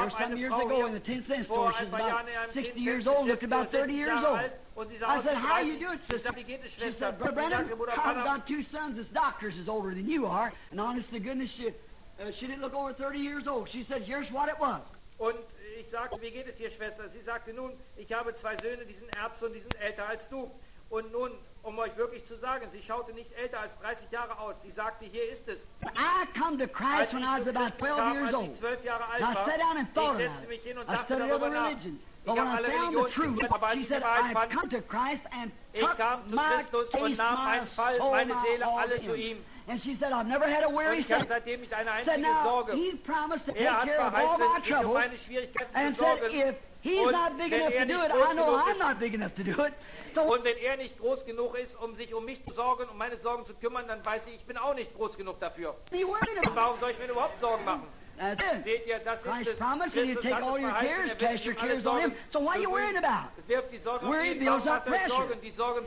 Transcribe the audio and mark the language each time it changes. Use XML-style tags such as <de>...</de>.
<en>some years ago in the 10 cent store. She's about 60 years old, looked about 30 years old. I said, how you doing, sister? She said, Brother Brennan, I've got two sons as doctors as older than you are. And honest to goodness, she didn't look over 30 years old. She said, here's what it was.</en> <de>Ich sagte, wie geht es dir, Schwester? Sie sagte, nun, ich habe zwei Söhne, die sind Ärzte und die sind älter als du. Und nun, um euch wirklich zu sagen, sie schaute nicht älter als 30 Jahre aus. Sie sagte, hier ist es.</de> <en>I come to Christ when I was about 12 years old.</en> <de>Als ich 12 Jahre alt war,</de> <en>I sat down and thought about it.</en> <de>Ich setzte mich hin und dachte darüber nach.</de> <en>But when I found the truth, she said, I've come to Christ and took my case,</en> <de>und nahm einen Fall, meine Seele, alle zu ihm.</de> <en>And she said, I've never had a weary sickness.</en> <de>Und ich habe seitdem nicht eine einzige Sorge.</de> <en>Said, now, he promised to take care of all my troubles.</en> <de>Er hat verheißen, um meine Schwierigkeiten zu sorgen.</de> <en>And said, if he's not big enough to do it, I know I'm not big enough to do it.</en> <de>So, und wenn er nicht groß genug ist, um sich um mich zu sorgen, um meine Sorgen zu kümmern, dann weiß ich bin auch nicht groß genug dafür. Warum soll ich mir überhaupt Sorgen machen? Seht ihr, das ist</de> <en>Christ promised you take all your cares, cast your cares on Him. So what are you worrying about? Worry builds up pressure.</en>